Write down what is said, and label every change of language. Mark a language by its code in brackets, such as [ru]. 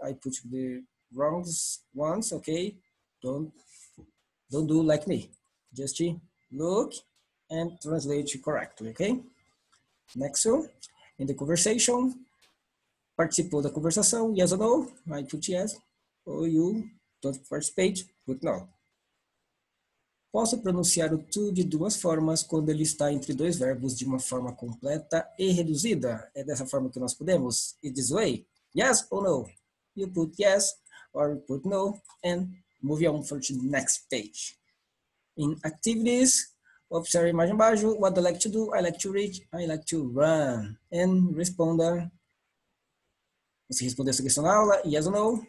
[en] I put the wrong ones, okay? Don't do like me. Just look and translate correctly, okay? Next one, in the conversation, [pt] participou da conversação, [en] yes or no? I put yes, or you don't participate, put no. [pt] Posso pronunciar o to de duas formas quando ele está entre dois verbos de uma forma completa e reduzida? É dessa forma que nós podemos? [en] It is way? Yes or no? You put yes or you put no and move on for the next page. In activities, [pt] observe mais embaixo. [en] What do I like to do? I like to read. I like to run. And [pt] responda. Você respondeu essa questão na aula? [en] Yes or no?